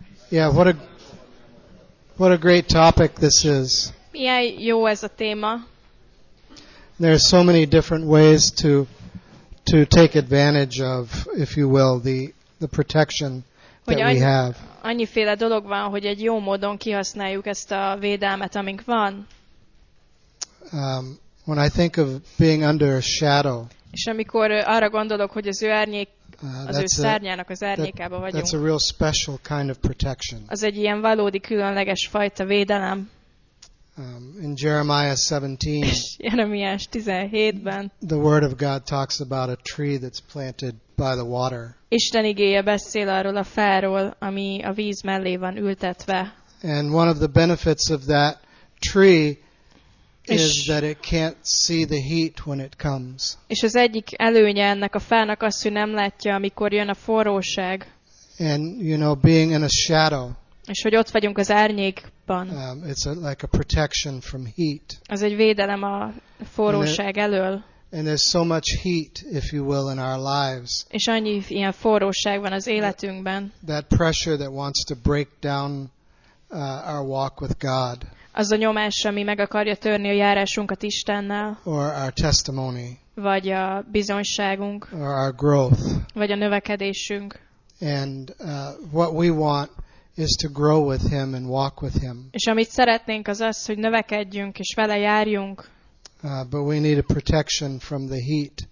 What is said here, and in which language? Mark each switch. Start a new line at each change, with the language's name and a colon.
English: Yeah, what a great topic this is.
Hungarian: Milyen jó ez a téma.
English: There are so many different ways to take advantage of, if you will, the protection that we have.
Hungarian: Annyiféle dolog van, hogy egy jó módon kihasználjuk ezt a védelmet, amink van.
English: When I think of being under a shadow.
Hungarian: És amikor arra gondolok, hogy az ő árnyék, az ő szárnyának az árnyékában vagyunk.
English: That's a real special kind of protection.
Hungarian: Az egy ilyen valódi különleges fajta védelem.
English: In Jeremiah 17,
Hungarian: Jeremiah 17-ben,
English: the word of God talks about a tree that's planted by the water.
Hungarian: Isten igéje beszél arról a fáról, ami a víz mellé van ültetve.
English: And one of the benefits of that tree is that it can't see the heat when it comes.
Hungarian: És az egyik előnye ennek a fának az, hogy nem látja, amikor jön a forróság.
English: And you know, being in a shadow.
Hungarian: És hogy ott vagyunk az árnyékban.
English: It's like a protection from heat.
Hungarian: Az egy védelem a forróság elől.
English: And there's so much heat, if you will, in our lives.
Hungarian: És annyi ilyen forróság van az életünkben.
English: That pressure that wants to break down our walk with God.
Hungarian: Az a nyomás, ami meg akarja törni a járásunkat Istennel.
English: Or our testimony.
Hungarian: Vagy a bizonyságunk.
English: Or our growth.
Hungarian: Vagy a növekedésünk.
English: And what we want is to grow with him and walk with him.
Hungarian: És amit szeretnénk, az az, hogy növekedjünk és vele járjunk.
English: But we need a protection from the heat.